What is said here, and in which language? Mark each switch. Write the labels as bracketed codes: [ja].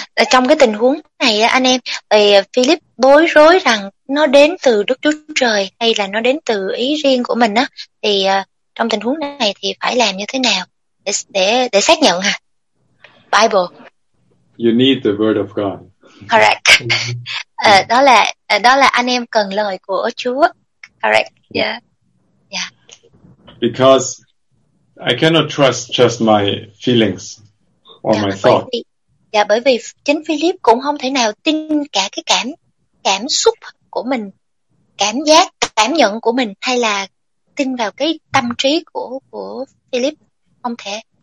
[vi] trong cái tình huống này anh em, Philip bối rối rằng nó đến từ Đức Chúa Trời hay là nó đến từ ý riêng của mình á, thì trong tình huống này thì phải làm như thế nào để xác nhận ha? [en] Bible. You need the word of God. Correct. [vi] đó là anh em cần lời của Chúa. [en] Correct. Yeah. Yeah. Because I cannot trust just my feelings or my thoughts. [vi] Dạ, bởi vì chính Philip cũng không thể nào tin cả cái cảm xúc của mình, cảm giác, cảm nhận của mình, hay là tin vào cái tâm trí của Philip, không thể.